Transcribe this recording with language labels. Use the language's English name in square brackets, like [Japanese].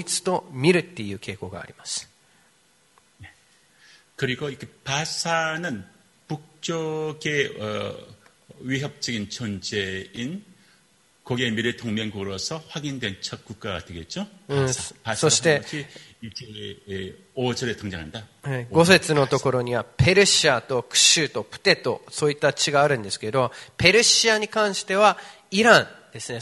[Japanese] 日本語の聖書、この新海訳にはですね、示されているんですけど、そのところにロシュという地名が出るんですけど、まあ、トバルの上にあるものとされているっていうことですね。書いた、メシェクですね。日本語でメシェクって書いてあるんですけど、それをロシュとも、呼ばれている国なんですけど、実はその国をロシアと、同じく、まあ、神学者たちがですね、それを同一と見るっていう傾向があります。 [Korean] 그리고 이렇게 바사는 북쪽의 위협적인 존재인 거기에 미래 동맹국으로서 확인된 첫 국가가 되겠죠? 5절에 등장한다. [Japanese] 5절のところには ペルシアとクシュとプテとそういった地があるんですけど ペルシアに関してはイランですね。